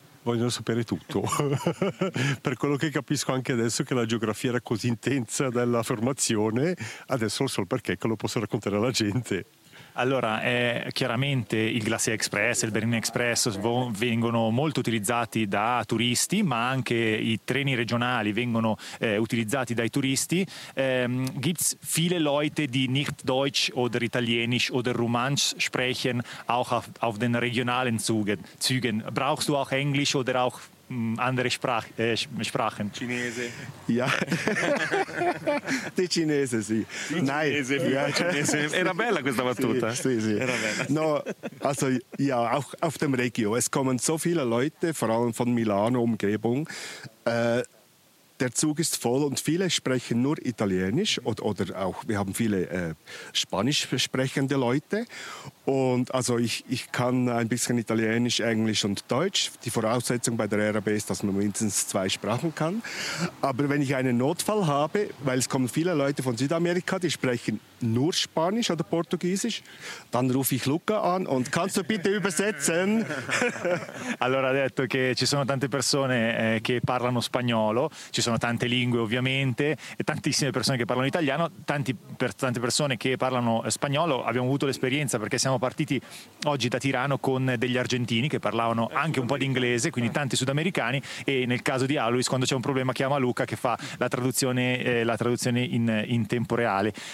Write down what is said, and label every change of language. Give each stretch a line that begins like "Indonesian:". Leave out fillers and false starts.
Italian: Vogliono sapere tutto, per quello che capisco anche adesso che la geografia era così intensa della formazione, adesso lo so il perché, che lo posso raccontare alla gente. Allora, chiaramente il Glacier Express e il Bernina Express vengono molto utilizzati da turisti, ma anche i treni regionali vengono utilizzati dai turisti.
German: Gibt's viele Leute, die nicht Deutsch oder Italienisch oder Romansch sprechen, auch auf den regionalen Zügen? Brauchst du auch Englisch oder auch andere Sprache, Sprachen.
Italian: Cinese.
German: Ja. Die Cinese,
Italian: sì.
German: Cinese, nein. Ja. Cinese.
Italian: Era bella questa battuta. Sì, sì. Era bella.
German: No, also, ja, auch auf dem Regio. Es kommen so viele Leute, vor allem von Milano, Umgebung. Der Zug ist voll und viele sprechen nur Italienisch oder auch, wir haben viele Spanisch sprechende Leute. Und also ich kann ein bisschen Italienisch, Englisch und Deutsch. Die Voraussetzung bei der RAB ist, dass man mindestens zwei Sprachen kann. Aber wenn ich einen Notfall habe, weil es kommen viele Leute von Südamerika, die sprechen nur Spanisch oder Portugiesisch, dann rufe ich Luca an und kannst du bitte übersetzen?
Italian: Allora ha detto che ci sono tante persone che parlano spagnolo, ci sono tante lingue ovviamente e tantissime persone che parlano italiano, tante persone che parlano spagnolo. Abbiamo avuto l'esperienza perché siamo partiti oggi da Tirano con degli argentini che parlavano anche un po' di inglese, quindi tanti sudamericani, e nel caso di Aluis, quando c'è un problema chiama Luca che fa la traduzione in tempo reale.